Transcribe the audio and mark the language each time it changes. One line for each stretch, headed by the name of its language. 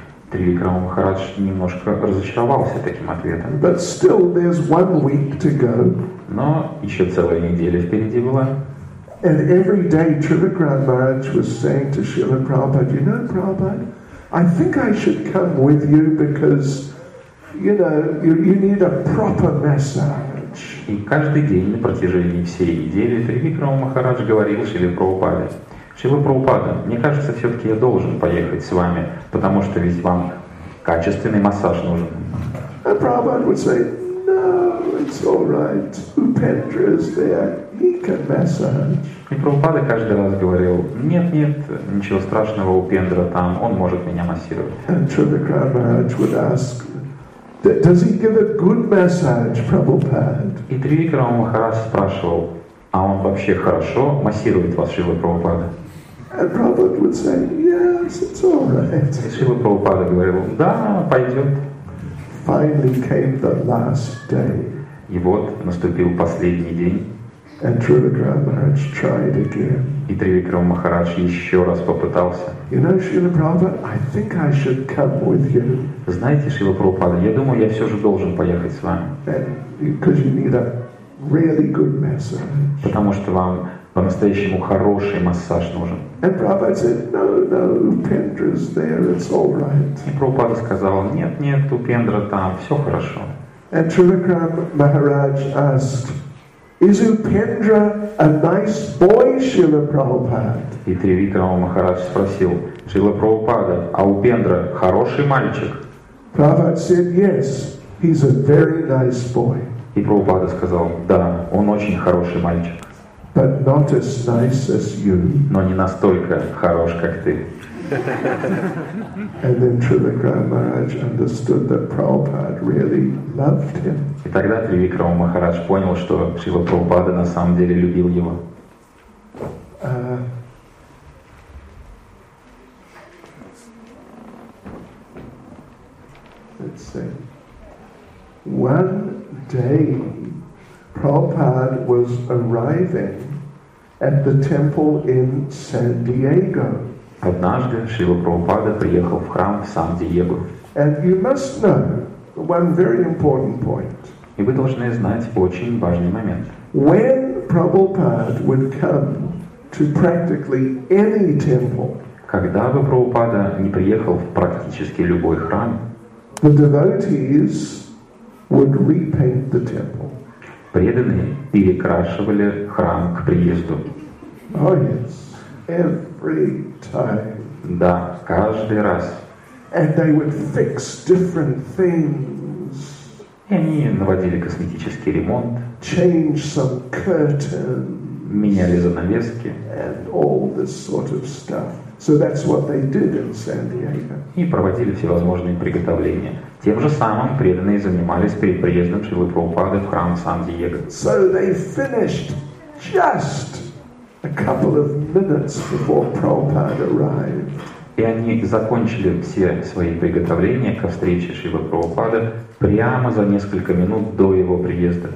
Russian: Тривикрама Махарадж немножко разочаровался таким ответом.
English: But still, there's 1 week to go.
Russian: Но еще целая неделя впереди была.
English: And every day Trivikrama Maharaj was saying to Srila Prabhupada, you know, Prabhupada, I think I should come with you because you need a proper massage.
Russian: И каждый день на протяжении всей недели Тривикрама Махарадж говорил Шриле Прабхупаде, Шрила Прабхупада, мне кажется, все-таки я должен поехать с вами, потому что ведь вам качественный массаж нужен.
English: And Prabhupada would say, no, it's all right. Upendra is there. He can massage.
Russian: И Прабхупада каждый раз говорил: нет, нет, ничего страшного, Упендра там, он может меня массировать.
English: And so the Grand Maharaj would ask, does he give a good massage, Prabhupada?
Russian: И Тривикрама Махарадж спрашивал: а он вообще хорошо массирует вас, Шрила Прабхупада?
English: And Prabhupada would say, yes, it's all right.
Russian: И Шрила Прабхупада говорил: да, пойдет.
English: Finally came the last day.
Russian: И вот наступил последний день.
English: And Trivikram Maharaj tried again.
Russian: И Тривикрама Махарадж еще раз попытался.
English: You know, Srila Prabhupada, I think I should come with you.
Russian: Знаете, Шрила Прабхупада, я думаю, я все же должен поехать с вами.
English: Because you need a really good massage.
Russian: Потому что вам по-настоящему хороший массаж нужен.
English: And Prabhupada said, no, no, Upendra's there, it's all right.
Russian: И Прабхупада сказал: нет, нет, Упендра там, все хорошо.
English: And Trivikram Maharaj asked, is Upendra a nice boy, Srila Prabhupada?
Russian: И Тривикрама Махарадж спросил: Шрила Прабхупада, а Упендра хороший мальчик?
English: Prabhupada said, yes, he's a very nice boy.
Russian: И Прабхупада сказал: да, он очень хороший мальчик.
English: But not as nice as you.
Russian: Но не настолько хорош, как ты.
English: And then Trivikram Maharaj understood that Prabhupada really loved him.
Russian: И тогда Тривикрама Махарадж понял, что Шрила Прабхупада на самом деле любил его.
English: Let's see. One day, Prabhupada was arriving at the temple in San Diego.
Russian: Однажды Шрила Прабхупада приехал в храм в Сан-Диего.
English: And you must know one very important point.
Russian: И вы должны знать очень важный момент.
English: When Prabhupada would come to practically any temple,
Russian: когда бы Прабхупада не приехал в практически любой храм,
English: the devotees would repaint the temple.
Russian: Преданные перекрашивали храм к приезду.
English: Oh, yes. Every time.
Russian: Да, каждый раз.
English: And they would fix different things.
Russian: И они наводили косметический ремонт.
English: Change some curtains.
Russian: Меняли занавески.
English: And all this sort of stuff. So that's what they did in San Diego.
Russian: И проводили всевозможные приготовления. Тем же самым преданные занимались перед приездом Шрилы Прабхупады в храм Сан-Диего.
English: So they finished just a couple of minutes before Prabhupada arrived.
Russian: И они закончили все свои приготовления ко встрече Шрилы Прабхупады прямо за несколько минут до его приезда.